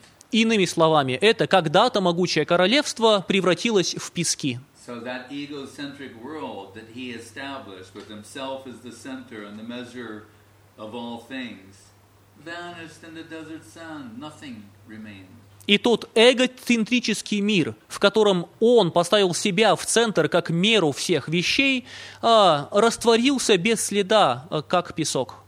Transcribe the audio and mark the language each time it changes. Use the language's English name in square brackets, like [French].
[Russian] Иными словами, это когда-то могучее королевство превратилось в пески. [English] So that egocentric world that he established with himself as the center and the measure of all things vanished in the desert sand. Nothing remained. [Russian] И тот эгоцентрический мир, в котором он поставил себя в центр как меру всех вещей, растворился без следа, как песок.